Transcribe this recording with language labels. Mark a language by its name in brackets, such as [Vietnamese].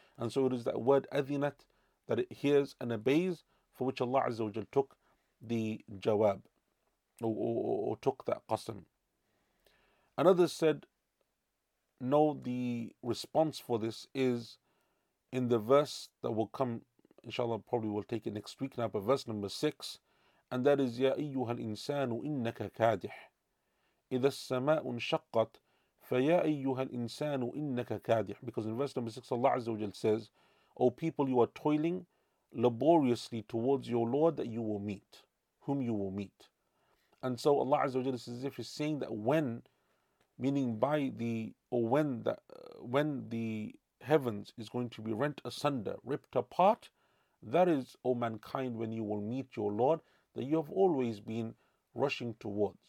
[English] And so it is that word adhinat that it hears and obeys, for which Allah Azza wa Jalla took the jawab, or took that qasam. Another said, no, the response for this is in the verse that will come, inshallah, probably we'll take it next week now, but verse number 6, and that is, [Arabic] Ya ayyuhal insanu innaka kadih. إذا السماء انشقت فيا أيها الإنسان إنك كادح. [English] Because in verse number 6, Allah Azza wa Jal says, O people, you are toiling laboriously towards your Lord that you will meet, whom you will meet. And so Allah Azza wa Jal is as if he's saying that when the heavens is going to be rent asunder, ripped apart, that is, O mankind, when you will meet your Lord that you have always been rushing towards.